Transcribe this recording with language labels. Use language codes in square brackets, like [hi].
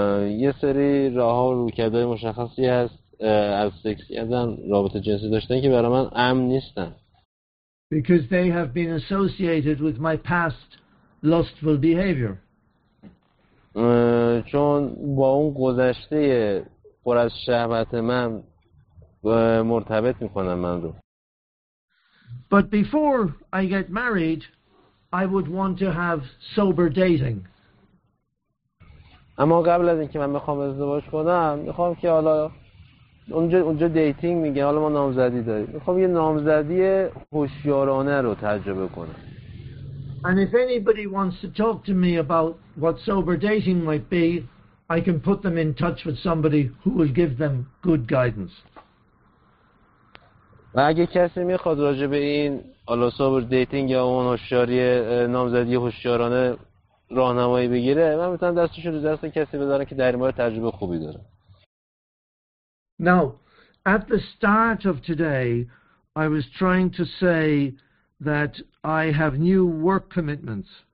[fa] یه سری راه و رویکردهای مشخصی هست از سکس کردن, رابطه جنسی داشتن, که برای من امن نیستن. [en] Because they have been associated with my past lustful behavior. [fa] چون با اون گذشته پر از شهوت من مرتبط میکنم من رو. [en] But before I get married, I would want to have sober dating. [fa] اما قبل از اینکه من میخوام ازدواج کنم, میخوام که حالا اونجا دیتینگ میگه, حالا ما نامزدی داریم, میخوام یه نامزدی هوشیارانه رو تجربه کنم. [en] And if anybody wants to talk to me about what sober dating might be, I can put them in touch with somebody who will give them good guidance. [fa] و اگه کسی میخواد راجع به این حالا [en] sober dating [fa] یا اون هوشیاری نامزدی هوشیارانه راهنمایی بگیره, من میتونم دستش رو دست کسی بذارم که در این مورد تجربه خوبی داره. [en] Now, at the start of today, I was trying to say that I have new work commitments.